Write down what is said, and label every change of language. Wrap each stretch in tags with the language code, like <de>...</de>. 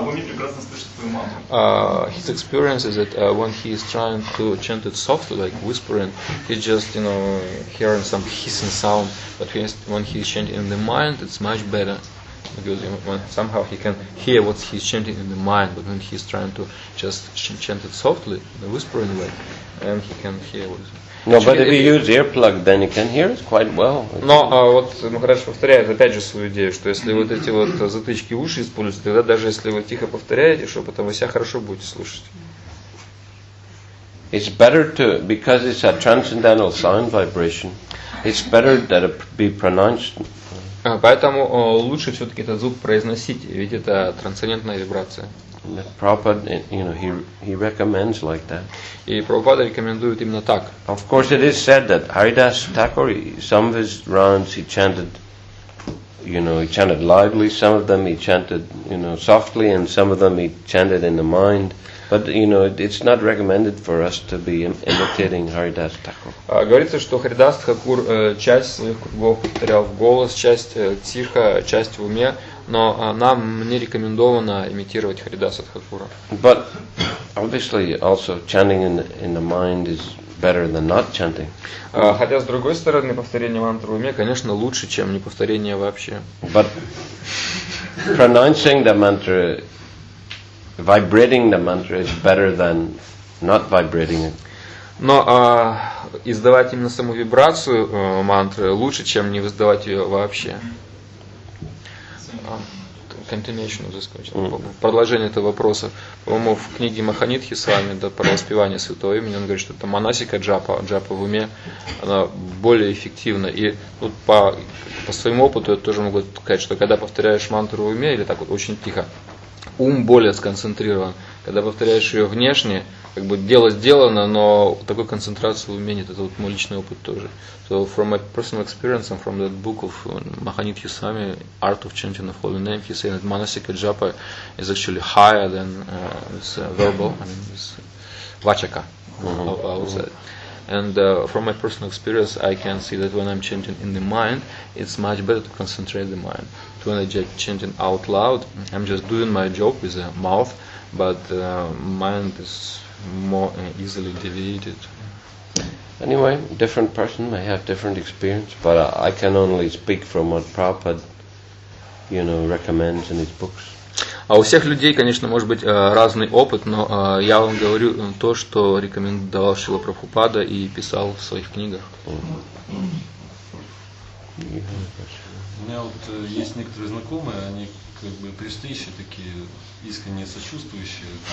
<en>His experience is that when he is trying to chant it softly, like whispering, he's just, you know, hearing some hissing sound. But when he's chanting in the mind, it's much better, because somehow he can hear what he's chanting in the mind. But when he's trying to just chant it softly, the whispering way, and he can hear what. No, but if you use earplug, then you can hear it quite well.</en> <ru>Но вот Махарадж повторяет опять же свою идею, что если вот эти вот затычки уши используете, тогда даже если вы тихо повторяете, что потом вы себя хорошо будете слушать.</ru> <en>It's better to, because it's a transcendental sound vibration, it's better that it be pronounced.</en> <ru>Поэтому лучше все-таки этот звук произносить, ведь это трансцендентная вибрация.</ru> <en>Prabhupada, you know, he recommends like that.</en> <ru>И Прабхупада рекомендует именно так.</ru> <en>Of course, it is said that Haridas Thakur, some of his rounds he chanted, you know, he chanted loudly. Some of them he chanted, you know, softly, and some of them he chanted in the mind. But you know, it's not recommended for us to be imitating Haridas Thakur.</en> <ru>Говорится, что Харидас Тхакур часть своих кругов повторял в голос, часть тихо, часть в уме. Но нам не рекомендовано имитировать Харидаса Тхакура.</ru> <en>But obviously also chanting in the mind is better than not chanting.</en> <ru>Хотя с другой стороны, повторение мантры в уме, конечно, лучше, чем неповторение вообще.</ru> <en>But pronouncing the mantra, vibrating the mantra is better than not vibrating it.</en> <ru>Но издавать именно саму вибрацию мантры лучше, чем не издавать ее вообще.</ru> <en>Continuation of this question.</en> <ru>Продолжение этого вопроса. По-моему, в книге Маханитхи с вами, да, про воспевание святого имени, он говорит, что это манасика джапа, джапа в уме, она более эффективна. И вот по своему опыту я тоже могу сказать, что когда повторяешь мантру в уме, или так вот очень тихо, ум более сконцентрирован. Когда повторяешь ее внешне, как бы дело сделано, но такой концентрации в уме нет. Это вот мой личный опыт тоже.</ru> <en>So from my personal experience and from that book of Mahanithya Swami, Art of Chanting of Holy Name, he said that Manasika Japa is actually higher than this verbal, I mean this vachaka, outside. And from my personal experience, I can see that when I'm chanting in the mind, it's much better to concentrate the mind. When I'm just chanting out loud, I'm just doing my job with the mouth, but mind is more easily deviated. Anyway, different person may have different experience, but I can only speak from what Prabhupada, you know, recommends in his books.</en> <ru>А у всех людей, конечно, может быть разный опыт, но я вам говорю то, что рекомендовал Шрила Прабхупада и писал в своих книгах. У меня вот есть некоторые знакомые, они как бы престыщи такие, искренне сочувствующие.</ru>